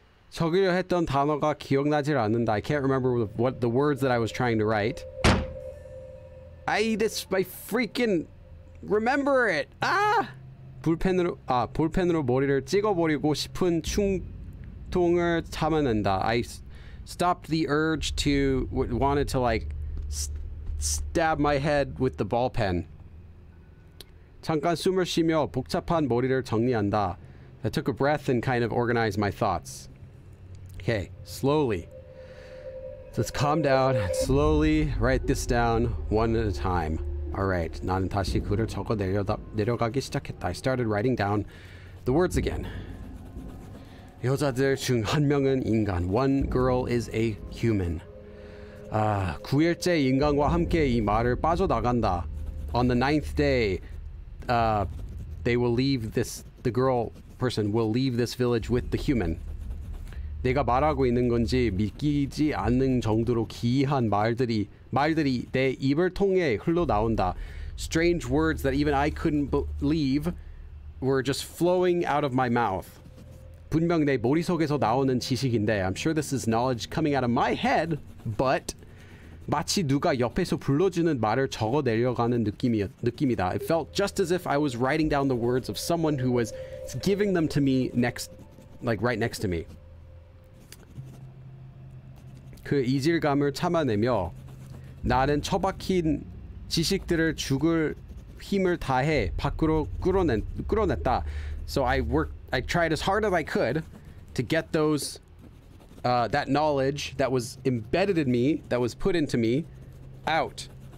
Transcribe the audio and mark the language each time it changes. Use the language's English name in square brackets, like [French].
[Korean] 적으려 했던 단어가 기억나질 않는다. [English] I can't remember what the words that I was trying to write. This my freaking remember it. [Korean] 볼펜으로 머리를 찍어버리고 싶은 충동을 참아낸다. [English] I stopped the urge to wanted to like stab my head with the ball pen. [Korean] 잠깐 숨을 쉬며 복잡한 머리를 정리한다. [English] I took a breath and kind of organized my thoughts. Okay, slowly. Let's calm down. Slowly write this down one at a time. All right. [Korean] 나는 다시 글을 적어 내려가기 시작했다. [English] I started writing down the words again. [Korean] 여자들 중 한 명은 인간. [English] One girl is a human. [Korean] 9일째 인간과 함께 이 마을을 빠져나간다. [English] On the 9th day, they will leave this. The girl person will leave this village with the human. [Korean] 내가 말하고 있는 건지 믿기지 않는 정도로 기이한 말들이 내 입을 통해 흘러나온다. [English] Strange words that even I couldn't believe were just flowing out of my mouth. [Korean] 분명 내 머릿속에서 나오는 지식인데, [English] I'm sure this is knowledge coming out of my head, but [Korean] 마치 누가 옆에서 불러주는 말을 적어내려가는 느낌이다. [English] It felt just as if I was writing down the words of someone who was giving them to me right next to me. [Korean] 그 이질감을 참아내며 나는 처박힌 지식들을 죽을 힘을 다해 밖으로 끌어냈다. [English] So I tried as hard as I could to get those that knowledge that was embedded in me, that was put into me, out.